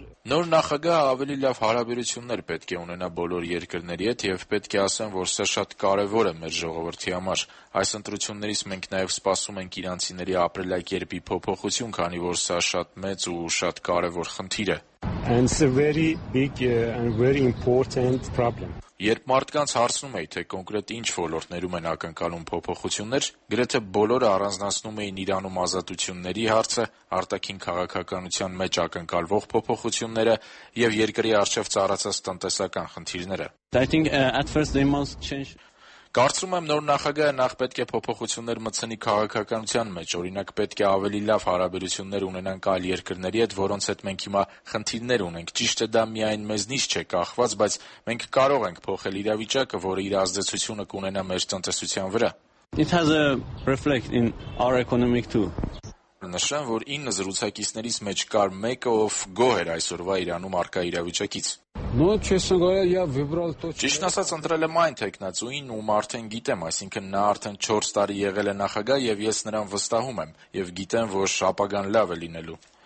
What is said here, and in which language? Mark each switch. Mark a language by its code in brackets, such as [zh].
[hy] Նոր նախագահը ավելի լավ հարաբերություններ պետք է ունենա բոլոր երկրների հետ, և պետք է ասեմ, որ սա շատ կարևոր է մեր ժողովրդի համար։ Այս ընտրություններից մենք նաև սպասում ենք իրանցիների ապրելակերպի փոփոխություն, քանի որ սա շատ մեծ ու շատ կարևոր խնդիր է։ [en] And it's a very big and very important problem. [hy] Երբ մարդկանց հարցնում էի, թե կոնկրետ ինչ ոլորտներում են ակնկալում փոփոխություններ, գրեթե բոլորը առանձնացնում էին Իրանում ազատությունների հարցը, արտաքին քաղաքականության մեջ ակնկալվող փոփոխությունները եւ երկրի առջև ծառացած տնտեսական խնդիրները։ [en] I think at first they must change. [hy] Կարծում եմ, նոր նախագահը նախ պետք է փոփոխություններ մցնի քաղաքականության մեջ, օրինակ պետք է ավելի լավ հարաբերություններ ունենանք այլ երկրների հետ, որոնց հետ մենք հիմա խնդիրներ ունենք։ Ճիշտ է, դա միայն մեզնից չէ կախված, բայց մենք կարող ենք փոխել իրավիճակը, որը իր ազդեցությունը կունենա մեր տնտեսության վրա։ [en] It has a reflect in our economic too. [hy] Նշեմ, որ 9 զրուցակիցներից մեջ կար մեկը, ով գոհ էր այսօրվա Իրանում առկա իրավիճակից։ Ճիշտ ասած, ընտրել եմ այն թեկնածուին, ում արդեն գիտեմ, այսինքն նա արդեն 4 տարի եղել է նախագահ, և ես նրան վստահում եմ, և գիտեմ, որ ապագան լավ է լինելու։